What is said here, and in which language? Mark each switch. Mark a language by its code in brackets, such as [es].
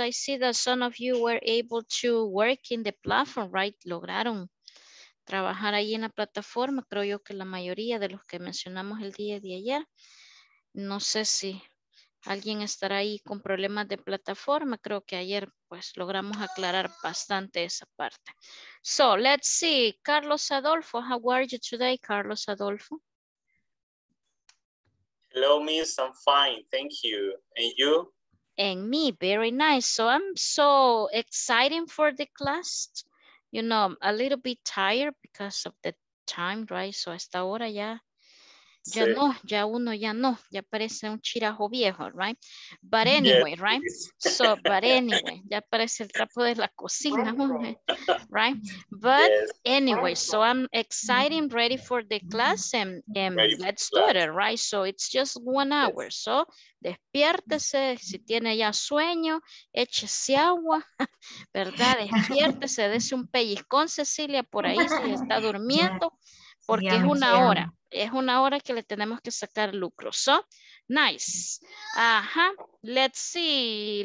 [en] I see that some of you were able to work in the platform, right? [es] Lograron trabajar ahí en la plataforma. Creo yo que la mayoría de los que mencionamos el día de ayer, no sé si alguien estará ahí con problemas de plataforma. Creo que ayer pues logramos aclarar bastante esa parte. [en] So let's see, Carlos Adolfo, how are you today, Carlos Adolfo? Hello, miss, I'm fine, thank you. And you? And me, very nice. So I'm so excited for the class. You know, a little bit tired because of the time, right? [es] So hasta ahora ya, ya sí. No, ya uno ya no, ya parece un chirajo viejo, right? [en] But anyway, yes, right? Please. So, but anyway, [es] ya parece el trapo de la cocina, right? But yes. [en] Anyway, so I'm excited, ready for the class, and let's do it, right? So it's just 1 hour, yes. [es] So despiértese, si tiene ya sueño, échese agua, ¿verdad? Despiértese, dése un pellizcón, Cecilia, por ahí, si está durmiendo, porque es una hora. Es una hora que le tenemos que sacar lucro. [en] So, nice. Ajá. Let's see.